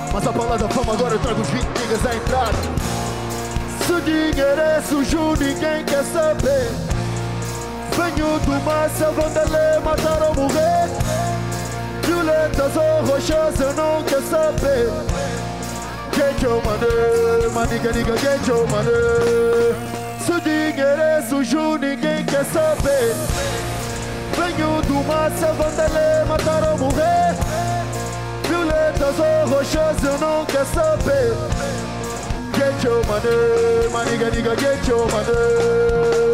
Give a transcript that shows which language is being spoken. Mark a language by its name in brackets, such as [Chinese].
[Portuguese] Mas a balada fama, agora eu trago os 20 niggas à entrada. Se o dinheiro é sujo, ninguém quer saber. Venho de uma selva onde ele é matar ou morrer. Violetas ou roxas, eu não quero saber. [English] Get your money, my nigga, nigga, get your money. [Portuguese] Se o dinheiro é sujo, ninguém quer saber. Venho de uma selva onde ele é matar ou morrer. Violetas ou roxas, eu não quero saber. [English] Get your money, my nigga, nigga, get your money.